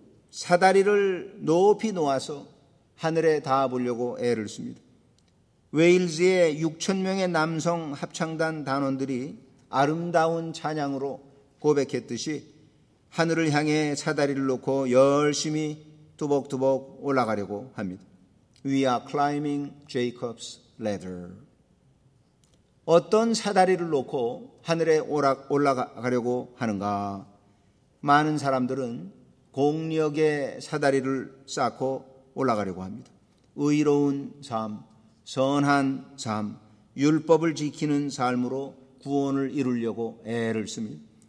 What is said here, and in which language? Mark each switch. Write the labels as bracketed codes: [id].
[ko] 사다리를 높이 놓아서 하늘에 닿아보려고 애를 씁니다. 웨일즈의 6,000명의 남성 합창단 단원들이 아름다운 찬양으로 고백했듯이 하늘을 향해 사다리를 놓고 열심히 두벅두벅 올라가려고 합니다. [en] We are climbing Jacob's ladder. [ko] 어떤 사다리를 놓고 하늘에 올라가려고 하는가? 많은 사람들은 공력의 사다리를 쌓고 올라가려고 합니다. 의로운 삶, 선한 삶, 율법을 지키는 삶으로 구원을 이루려고 애를 씁니다.